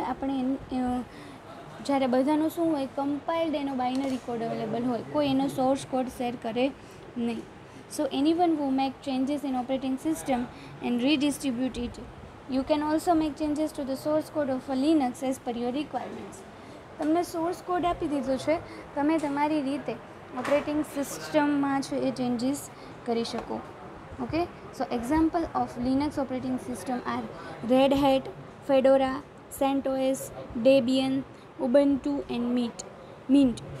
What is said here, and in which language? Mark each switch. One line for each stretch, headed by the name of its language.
Gujarati: આપણે જ્યારે બધાનો શું હોય, કમ્પાઇલ્ડ એનો બાઇનરી કોડ અવેલેબલ હોય, કોઈ એનો સોર્સ કોડ શેર કરે નહીં.
English: So any one who make changes in operating system and redistribute it. You can also make changes to the source code of a Linux as per your requirements.
Gujarati: તમને source code આપી દીધો છે, તમે તમારી રીતે ઓપરેટિંગ સિસ્ટમમાં છે એ ચેન્જીસ કરી શકો.
English: Okay, so example of Linux operating system are Red Hat, Fedora, CentOS, Debian, Ubuntu and Mint.